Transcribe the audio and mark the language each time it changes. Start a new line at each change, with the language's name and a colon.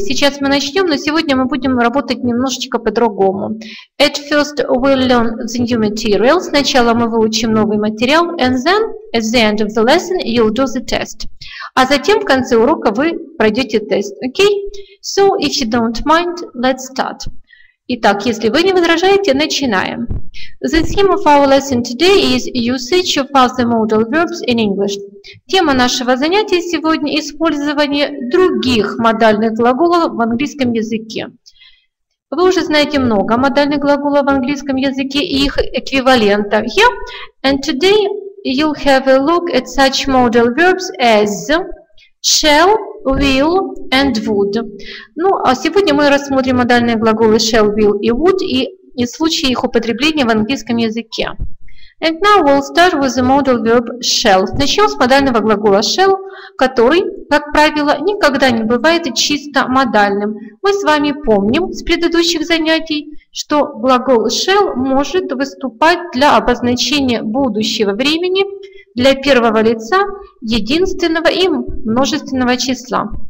Russian: Сейчас мы начнем, но сегодня мы будем работать немножечко по-другому.
English: At first we'll learn the new material.
Russian: Сначала мы выучим новый материал.
English: And then, at the end of the lesson, you'll do the test.
Russian: А затем в конце урока вы пройдете тест.
English: Okay? So, if you don't mind, let's start.
Russian: Итак, если вы не возражаете, начинаем.
English: The theme of our lesson today is usage of other modal verbs in English.
Russian: Тема нашего занятия сегодня – использование других модальных глаголов в английском языке. Вы уже знаете много модальных глаголов в английском языке и их эквивалентов.
English: Yeah. And today you'll have a look at such modal verbs as shall, will and would.
Russian: Ну, а сегодня мы рассмотрим модальные глаголы shall, will и would и случаи их употребления в английском языке.
English: And now we'll start with the modal verb shall.
Russian: Начнем с модального глагола shall, который, как правило, никогда не бывает чисто модальным. Мы с вами помним с предыдущих занятий, что глагол shall может выступать для обозначения будущего времени, для первого лица, единственного и множественного числа.